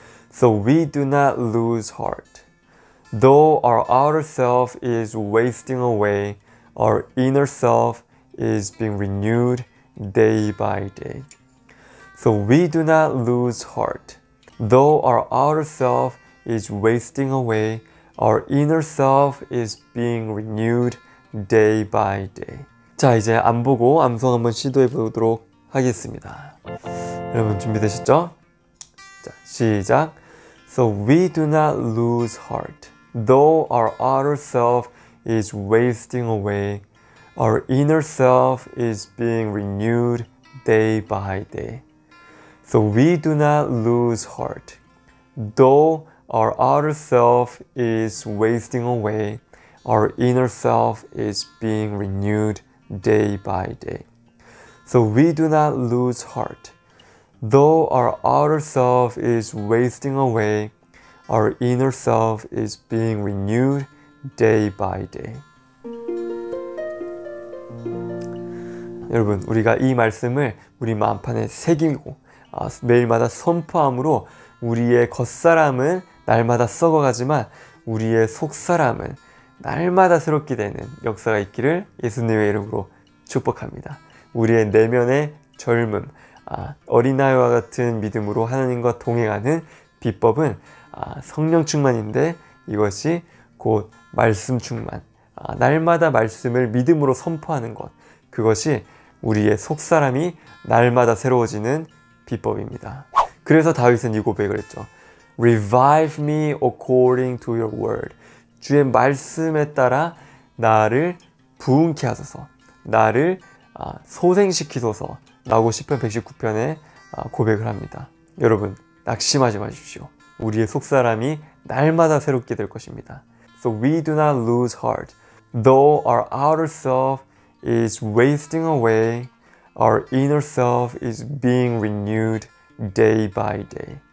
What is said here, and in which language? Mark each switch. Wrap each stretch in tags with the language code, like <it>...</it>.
<en>So we do not lose heart. Though our outer self is wasting away, our inner self is being renewed day by day. So we do not lose heart. Though our outer self is wasting away, our inner self is being renewed day by day.</en> <ko>자, 이제 안 보고 암송 한번 시도해 보도록 하겠습니다. 여러분 준비되셨죠? 자, 시작.</ko> <en>So we do not lose heart. Though our outer self is wasting away, our inner self is being renewed day by day. So we do not lose heart. Though our outer self is wasting away, our inner self is being renewed day by day. So we do not lose heart. Though our outer self is wasting away, our inner self is being renewed day by day.</en> <ko>여러분, 우리가 이 말씀을 우리 마음판에 새기고 매일마다 선포함으로 우리의 겉사람은 날마다 썩어가지만 우리의 속사람은 날마다 새롭게 되는 역사가 있기를 예수님의 이름으로 축복합니다. 우리의 내면의 젊음, 어린아이와 같은 믿음으로 하나님과 동행하는 비법은 성령 충만인데 이것이 곧 말씀 충만, 날마다 말씀을 믿음으로 선포하는 것, 그것이 우리의 속사람이 날마다 새로워지는 비법입니다. 그래서 다윗은 이 고백을 했죠.</ko> <en>Revive me according to your word.</en> <ko>주의 말씀에 따라 나를 부흥케 하소서, 나를 소생시키소서 라고 시편 119편에 고백을 합니다. 여러분, 낙심하지 마십시오. 우리의 속사람이 날마다 새롭게 될 것입니다.</ko> <en>So we do not lose heart. Though our outer self is wasting away, our inner self is being renewed day by day.</en>